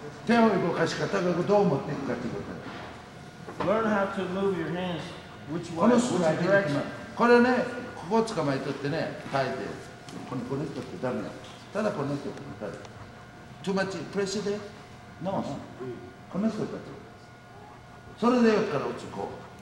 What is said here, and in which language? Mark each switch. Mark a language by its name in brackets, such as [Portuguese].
[Japanese] 手を動かし方がどう持っていくかということ。 [English] Learn how to move your hands, which way, which direction. [Japanese] これね、ここを捕まえとってね、耐えて。この人ってダメや。ただこの人って耐えて。 [English] Too much pressure there? No. [Japanese] この人だと。それでよっから打つ、こう。